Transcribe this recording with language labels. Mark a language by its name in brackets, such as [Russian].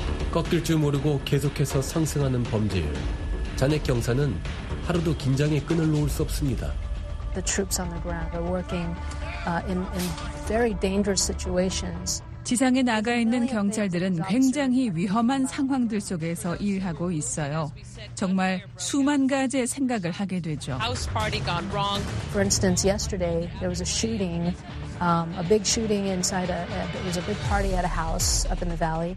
[Korean] 꺾일 줄 모르고 계속해서 상승하는 범죄율. 잔액 경사는 하루도 긴장의 끈을 놓을 수 없습니다. [English] The troops on the ground are working in very dangerous situations. [Korean] 지상에 나가 있는 경찰들은 굉장히 위험한 상황들 속에서 일하고 있어요. 정말 수만 가지의 생각을 하게 되죠. [English] House party gone wrong. For instance, yesterday there was a shooting, a big shooting inside it was a big party at a house up in the valley.